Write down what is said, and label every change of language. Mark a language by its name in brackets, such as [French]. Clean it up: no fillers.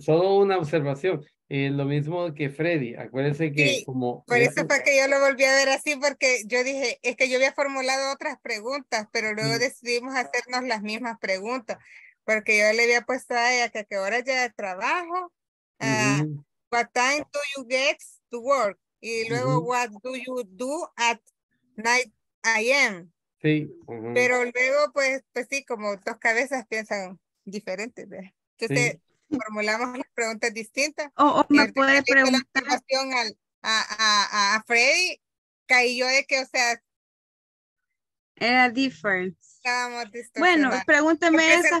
[Spanish] Solo una observación. Lo mismo que Freddy. Acuérdense que sí, como. Por eso fue que yo lo volví a ver así, porque yo dije, es que yo había formulado otras preguntas, pero luego decidimos hacernos las mismas preguntas. Porque yo le había puesto a ella que a qué hora llega el trabajo. [English] What time do you get to work? [Spanish] Y luego, [English] what do you do at 9 a.m.? [Spanish] Sí. Pero luego, pues sí, como dos cabezas piensan diferentes. Entonces, sí. Formulamos las preguntas distintas. Me puede preguntar. La al, a Freddy, caí yo de que, o sea. Era different. Bueno, pregúnteme esa.